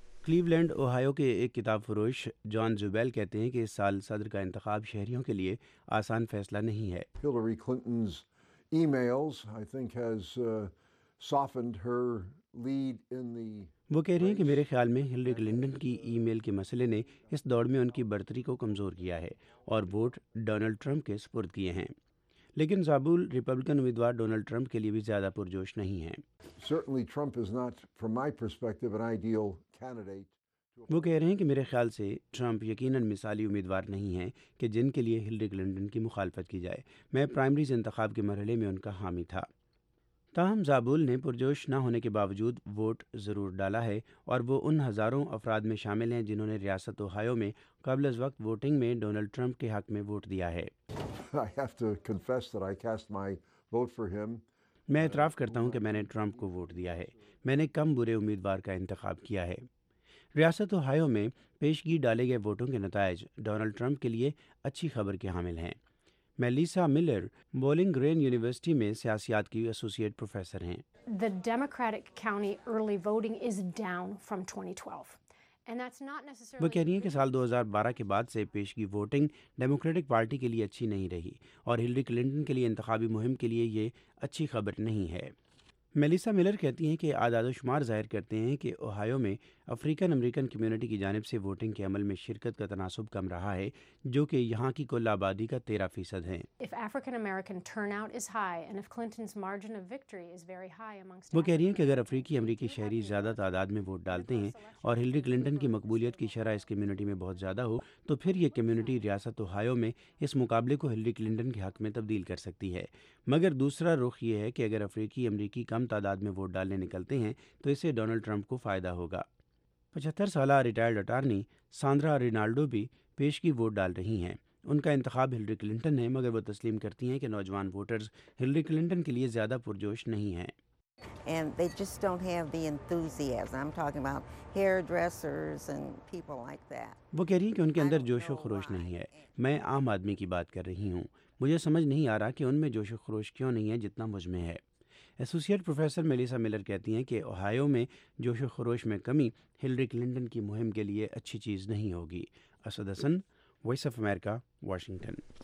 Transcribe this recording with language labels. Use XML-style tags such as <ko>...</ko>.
<ur>Cleveland Ohio کے ایک کتاب فروش جان زوبیل کہتے ہیں کہ اس سال صدر کا انتخاب شہریوں کے لیے آسان فیصلہ نہیں ہے۔ وہ کہہ رہے ہیں کہ میرے خیال میں ہلری کلنٹن کی ای میل کے مسئلے نے اس دوڑ میں ان کی برتری کو کمزور کیا ہے اور ووٹ ڈونلڈ ٹرمپ کے سپرد کیے ہیں، لیکن زابول ریپبلکن امیدوار ڈونلڈ ٹرمپ کے لیے بھی زیادہ پرجوش نہیں ہیں۔</ur> <en>Certainly Trump is not from my perspective an ideal candidate.</en> <ur>وہ کہہ رہے ہیں کہ میرے خیال سے ٹرمپ یقیناً مثالی امیدوار نہیں ہیں کہ جن کے لیے ہلری کلنٹن کی مخالفت کی جائے۔ میں پرائمریز انتخاب کے مرحلے میں ان کا حامی تھا۔ تاہم زابول نے پرجوش نہ ہونے کے باوجود ووٹ ضرور ڈالا ہے، اور وہ ان ہزاروں افراد میں شامل ہیں جنہوں نے ریاست اوہایو میں قبل از وقت ووٹنگ میں ڈونلڈ ٹرمپ کے حق میں ووٹ دیا ہے۔ میں اعتراف کرتا ہوں کہ میں نے ٹرمپ کو ووٹ دیا ہے۔ میں نے کم برے امیدوار کا انتخاب کیا ہے۔ ریاست اوہایو میں پیشگی ڈالے گئے ووٹوں کے نتائج ڈونلڈ ٹرمپ کے لیے اچھی خبر کے حامل ہیں۔ Melissa Miller bowling green university میں سیاسیات کی ایسوسیٹ پروفیسر ہیں۔</ur> <en>The Democratic County early voting is down from 2012. And that's not necessarily</en> <ur>وہ کہہ رہی ہیں کہ سال 2012 کے بعد سے پیشگی ووٹنگ ڈیموکریٹک پارٹی کے لیے اچھی نہیں رہی، اور ہلری کلنٹن کے لیے انتخابی مہم کے لیے یہ اچھی خبر نہیں ہے۔ میلیسا ملر کہتی ہیں کہ اعداد و شمار ظاہر کرتے ہیں کہ اوہایو میں افریقن امریکن کمیونٹی کی جانب سے ووٹنگ کے عمل میں شرکت کا تناسب کم رہا ہے جو کہ یہاں کی کل آبادی کا 13% ہے۔ وہ کہہ رہی ہیں کہ اگر افریقی امریکی شہری زیادہ تعداد میں ووٹ ڈالتے ہیں اور ہلری کلنٹن کی مقبولیت کی شرح اس کمیونٹی میں بہت زیادہ ہو تو پھر یہ کمیونٹی ریاست اوہایو میں اس مقابلے کو ہلری کلنٹن کے حق میں تبدیل کر سکتی ہے۔ مگر دوسرا رخ یہ ہے کہ اگر افریقی امریکی کم تعداد میں ووٹ ڈالنے نکلتے ہیں تو اسے ڈونلڈ ٹرمپ کو فائدہ ہوگا۔ 75 سالہ ریٹائرڈ اٹارنی ساندرا رینالڈو بھی پیش کی ووٹ ڈال رہی ہیں۔ ان کا انتخاب ہلری کلنٹن ہے مگر وہ تسلیم کرتی ہیں کہ نوجوان ووٹرز ہلری کلنٹن کے لیے زیادہ پرجوش نہیں ہیں۔</ur> <en>And they just don't have the enthusiasm. I'm talking about hairdressers and people like that.</en> <ur>وہ کہہ رہی ہیں کہ ان کے اندر جوش و خروش نہیں ہے۔ میں عام آدمی کی بات کر رہی ہوں۔ مجھے سمجھ نہیں آ رہا کہ ان میں جوش و خروش کیوں نہیں ہے جتنا مجھ میں ہے۔ ایسوسیٹ پروفیسر میلیسا ملر کہتی ہیں کہ اوہایو میں جوش و خروش میں کمی ہلری کلنٹن کی مہم کے لیے اچھی چیز نہیں ہوگی۔ اسد حسن، وائس آف امریکہ، واشنگٹن۔</ur>